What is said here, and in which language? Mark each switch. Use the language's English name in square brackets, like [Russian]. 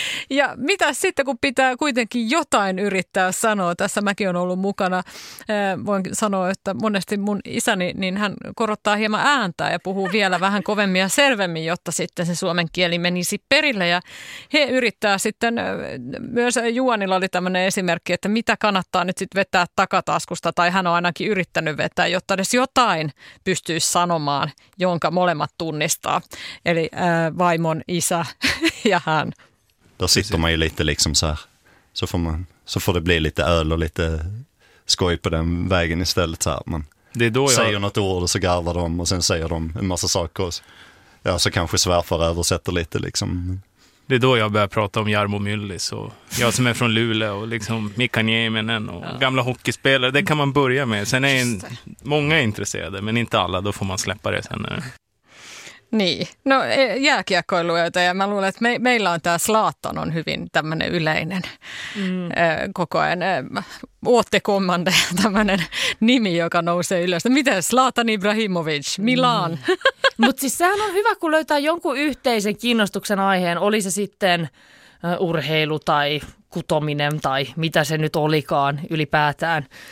[Finnish] Ja mitä sitten, kun pitää kuitenkin jotain yrittää sanoa, tässä mäkin olen ollut mukana, voin sanoa, että monesti mun isäni, niin hän korottaa hieman ääntä ja puhuu vielä vähän kovemmin ja selvemmin, jotta sitten se suomen kieli menisi perille. Ja he yrittää sitten, myös Juhanilla oli tämmöinen esimerkki, että mitä kannattaa nyt sitten vetää takataskusta, tai hän on ainakin yrittänyt vetää, jotta edes jotain pystyisi sanomaan, jonka molemmat tunnistaa. Eli vaimon isä ja hän. [Swedish] Då sitter man ju lite liksom så här. Så får det bli lite öl och lite skoj på den vägen istället. Så man det är då jag säger något ord och så garvar de och sen säger de en massa saker. Ja, så kanske svärfar översätter lite liksom. Det är då jag börjar prata om Jarmo Myllys och jag som är från Luleå och liksom Mika Nieminen och gamla hockeyspelare. Det kan man börja med. Sen är många är intresserade men inte alla. Då får man släppa det sen. [Finnish] Niin, no jääkiekkoilijoita ja mä luulen, että meillä on tämä Zlatan on hyvin tämmöinen yleinen koko ajan Ote Commande tämmöinen nimi, joka nousee ylös. Miten Zlatan Ibrahimovic, Milan? Mutta siis sehän on hyvä, kun löytää jonkun yhteisen kiinnostuksen aiheen, oli se sitten urheilu tai kutominen tai mitä se nyt olikaan ylipäätään.